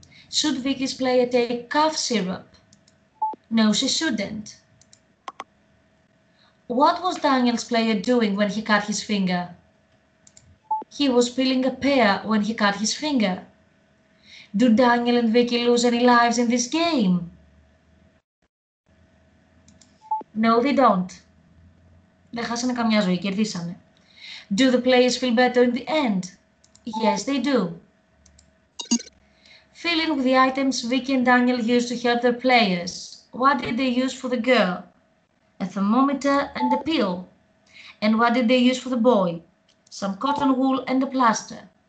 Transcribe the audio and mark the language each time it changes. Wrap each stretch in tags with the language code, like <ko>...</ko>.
<en>Should Vicky's player take cough syrup? No, she shouldn't. What was Daniel's player doing when he cut his finger? He was peeling a pear when he cut his finger. Do Daniel and Vicky lose any lives in this game? No, they don't.</en> <el>Δεν χάσανε καμιά ζωή, κερδίσανε.</el> <en>Do the players feel better in the end? Yes, they do. Fill in with the items Vicky and Daniel used to help their players. What did they use for the girl? A thermometer and a pill. And what did they use for the boy? Some cotton wool and a plaster.</en>